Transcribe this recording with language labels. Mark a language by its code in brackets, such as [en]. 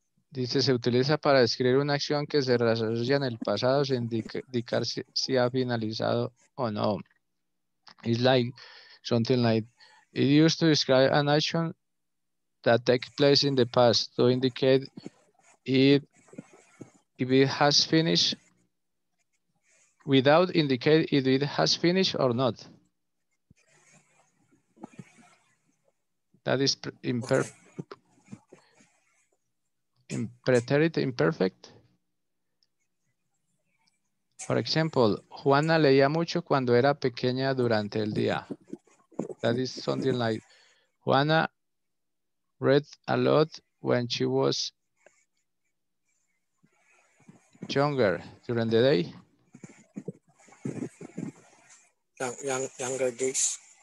[es] Dice, se utiliza para describir una acción que se realiza en el pasado sin indicar si ha finalizado o no. [en] It's like something like, it used to describe an action that takes place in the past to indicate if it has finished without indicate if it has finished or not. That is pretérito imperfect. For example, [es] Juana leía mucho cuando era pequeña durante el día. [en] That is something like Juana read a lot when she was younger during the day. Younger days.